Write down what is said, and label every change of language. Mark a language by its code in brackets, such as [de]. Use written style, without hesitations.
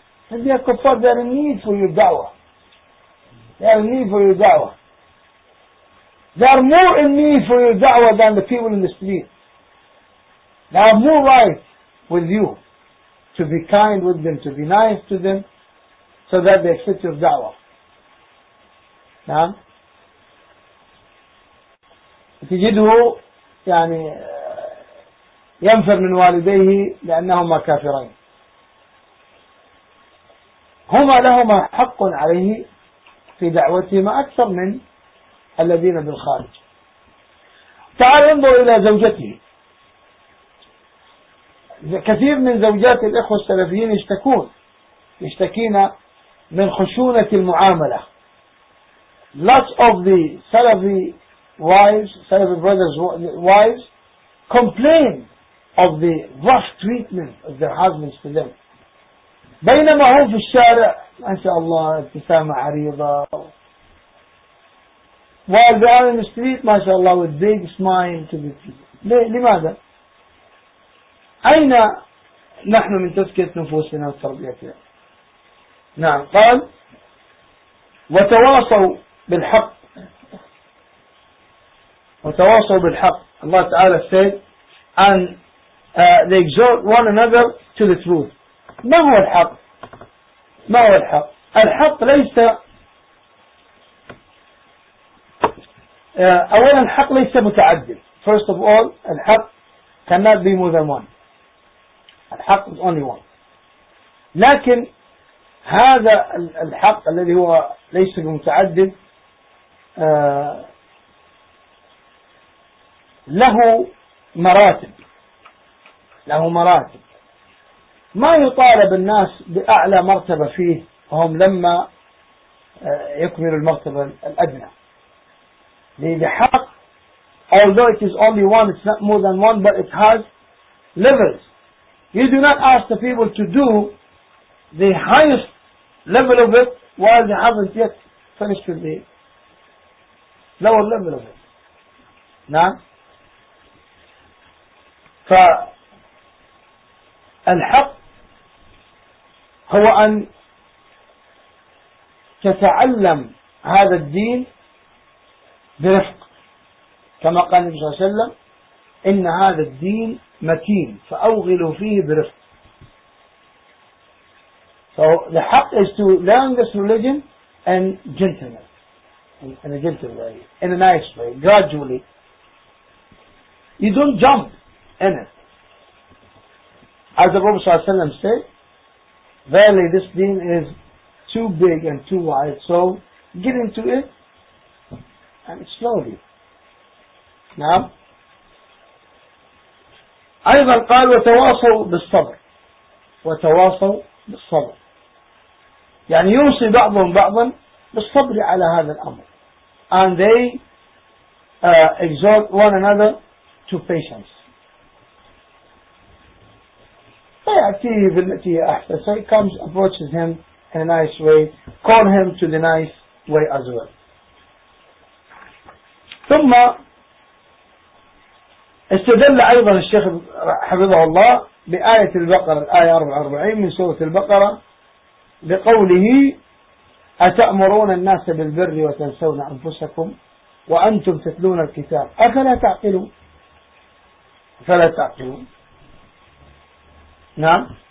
[en] So they are kuffar, they are in need for your da'wah. They are in need for your da'wah. They are more in need for your da'wah than the people in the street. They have more right with you to be kind with them, to be nice to them, so that they accept your da'wah. [ar] نعم. تجده يعني ينفر من والديه لأنهما كافرين. هما لهما حق عليه في دعوتهما أكثر من الذين بالخارج. تعال انظر إلى زوجته كثير من زوجات الإخوة السلفيين يشتكون يشتكين من خشونة المعاملة. [en] Lots of the Salafi wives, Salafi brothers' wives, complain of the rough treatment of their husbands to them. [ar] بينما هو في الشارع ما شاء الله ابتسامة عريضة. [en] While they are in the street, ما شاء الله with big smile to the people. [ar] لماذا؟ أين نحن من تزكية نفوسنا وتربيتنا؟ نعم قال وتواصوا بالحق وتواصوا بالحق. [en] الله تعالى said and they exhort one another to the truth. [ar] ما هو الحق؟ ما هو الحق؟ الحق ليس أولا الحق ليس متعدل. [en] First of all الحق cannot be more than one. الحق is only one. [ar] لكن هذا الحق الذي هو ليس متعدد له مراتب. له مراتب. ما يطالب الناس بأعلى مرتبة فيه هم لما يكملوا المرتبة الأدنى. [en] The حق although it is only one, it's not more than one, but it has levels. You do not ask the people to do the highest level of it while they haven't yet finished with the lower level of it. [ar] نعم. فالحق هو أن تتعلم هذا الدين برفق كما قال النبي صلى الله عليه وسلم إن هذا الدين متين فأوغلوا فيه برفق. [en] So the حق is to learn this religion and gentleness in a gentle way, in a nice way, gradually. You don't jump in it. As the Prophet صلى الله عليه وسلم said, verily this deen is too big and too wide, so get into it and slowly. [ar] Now, أيضا قال وتواصل بالصبر. وتواصل بالصبر يعني يوصي بعضهم بعضا بالصبر على هذا الأمر. [en] And they exhort one another to patience. [ar] فيأتيه بالتي أحسن. [en] So he comes, approaches him in a nice way, call him to the nice way as well. [ar] ثم استدل أيضا الشيخ حفظه الله بآية البقرة الآية 44 من سورة البقرة بقوله أتأمرون الناس بالبر وتنسون أنفسكم وأنتم تتلون الكتاب أفلا تعقلون. فلا تعقلون. نعم.